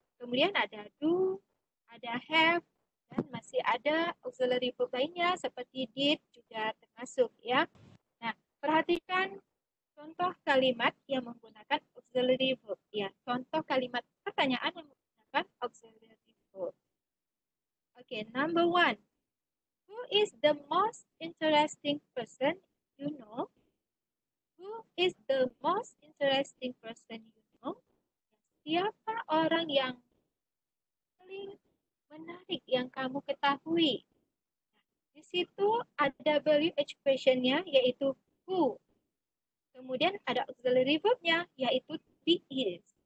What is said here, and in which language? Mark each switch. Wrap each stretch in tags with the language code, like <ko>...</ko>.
<id>Kemudian ada do, ada have, dan masih ada auxiliary verb lainnya seperti did juga termasuk, ya. Nah, perhatikan contoh kalimat yang menggunakan auxiliary verb, ya. Contoh kalimat pertanyaan yang menggunakan auxiliary verb.</id> <en>Okay, number one. Who is the most interesting person you know? Who is the most interesting person you know?</en> <id>Siapa orang yang paling menarik yang kamu ketahui? Nah, di situ ada WH question-nya, yaitu who. Kemudian ada auxiliary verb-nya, yaitu be is.</id>